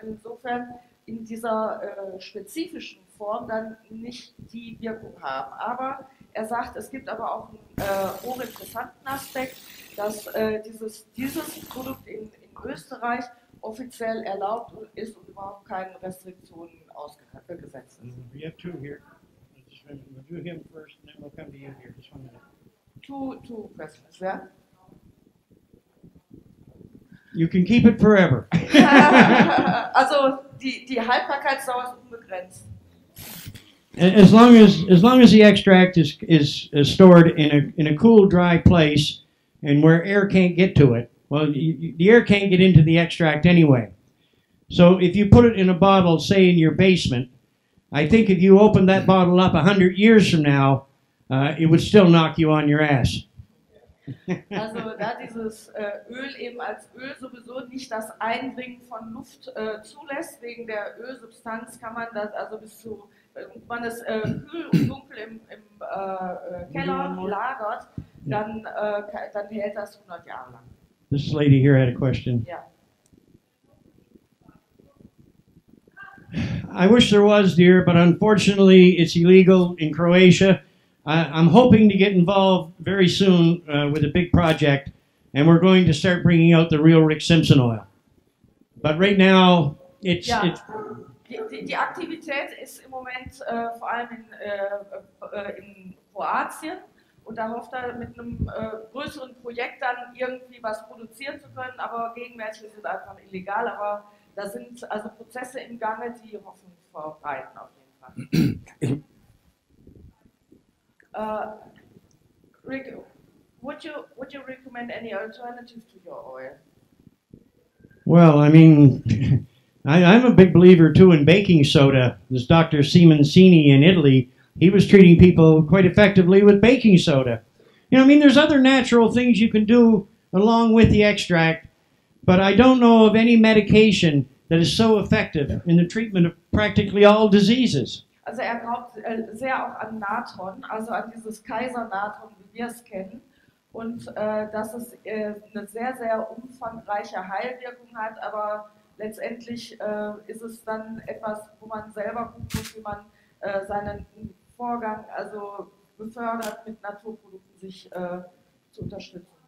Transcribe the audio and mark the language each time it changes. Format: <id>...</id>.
<de>Insofern in dieser spezifischen Form dann nicht die Wirkung haben. Aber er sagt, es gibt aber auch einen hochinteressanten Aspekt, dass dieses Produkt in Österreich offiziell erlaubt ist und überhaupt keine Restriktionen ausgesetzt ist.</de> <en>We have two here. We'll do him first and then we'll come to you here. Just one minute. Two questions, yeah? You can keep it forever.</en> <de>Also die Haltbarkeitsdauer ist unbegrenzt.</de> <en>As long as the extract is stored in a cool, dry place and where air can't get to it, well, the air can't get into the extract anyway. So if you put it in a bottle, say in your basement, I think if you open that bottle up 100 years from now, it would still knock you on your ass.</en> <de>Also da dieses Öl eben als Öl sowieso nicht das Eindringen von Luft zulässt, wegen der Ölsubstanz kann man das also bis zu, man es kühl und dunkel im Keller lagert, dann, dann hält das 100 Jahre lang.</de> <en>This lady here had a question. Yeah. I wish there was, dear, but unfortunately it's illegal in Croatia. I'm hoping to get involved very soon with a big project, and we're going to start bringing out the real Rick Simpson oil. But right now, it's...</en> <de>Ja,</de> <en>it's</en> <de>die Aktivität ist im Moment vor allem in Kroatien, und da hofft er mit einem größeren Projekt dann irgendwie was produzieren zu können, aber gegenwärtig ist es einfach illegal, aber da sind also Prozesse im Gange, die Hoffnung verbreiten auf jeden Fall.</de> <en>Rick, would you recommend any alternative to your oil? Well, I mean, I'm a big believer too in baking soda. This Dr. Simoncini in Italy, he was treating people quite effectively with baking soda. You know, I mean, there's other natural things you can do along with the extract, but I don't know of any medication that is so effective in the treatment of practically all diseases.</en> <de>Also er glaubt sehr auch an Natron, also an dieses Kaiser-Natron, wie wir es kennen. Und dass es eine sehr, sehr umfangreiche Heilwirkung hat. Aber letztendlich ist es dann etwas, wo man selber gucken muss, wie man seinen Vorgang also befördert, mit Naturprodukten sich zu unterstützen.</de>